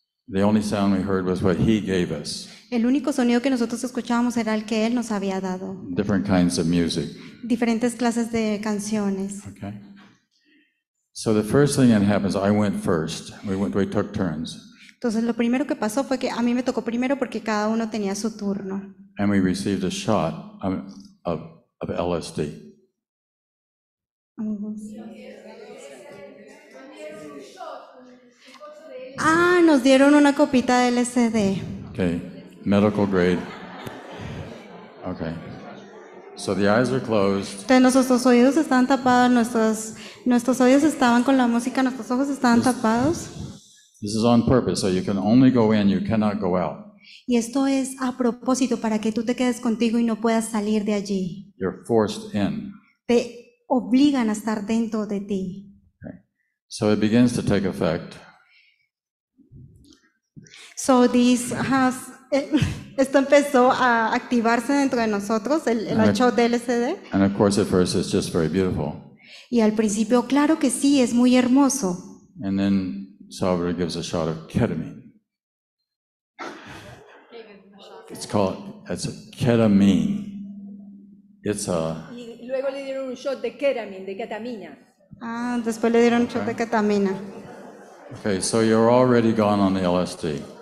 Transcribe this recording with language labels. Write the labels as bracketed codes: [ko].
[en] The only sound we heard was what he gave us. [es] El único sonido que nosotros escuchábamos era el que él nos había dado. [en] Different kinds of music. [es] Diferentes clases de canciones. [en] Okay. So the first thing that happens, I went first. We took turns. [es] Entonces lo primero que pasó fue que a mí me tocó primero porque cada uno tenía su turno. [en] And we received a shot of LSD. [es] Ah, nos dieron una copita de LSD. [en] Okay, medical grade. Okay. So the eyes are closed. [es] Entonces nuestros oídos estaban tapados, nuestros oídos estaban con la música, nuestros ojos estaban tapados. [en] This is on purpose, so you can only go in, you cannot go out. [es] Y esto es a propósito para que tú te quedes contigo y no puedas salir de allí. [en] You're forced in. [es] Te obligan a estar dentro de ti. [en] Okay. So it begins to take effect. So this has [es] esto empezó a activarse dentro de nosotros, el shot de LSD. [en] And of course at first it's just very beautiful. [es] Y al principio, claro que sí, es muy hermoso. [en] And then Salvador gives a shot of ketamine. It's called, it's a ketamine. It's a... [es] Y luego le dieron un shot de ketamine, de ketamina. Ah, después le dieron un shot de ketamina. [en] Okay, so you're already gone on the LSD.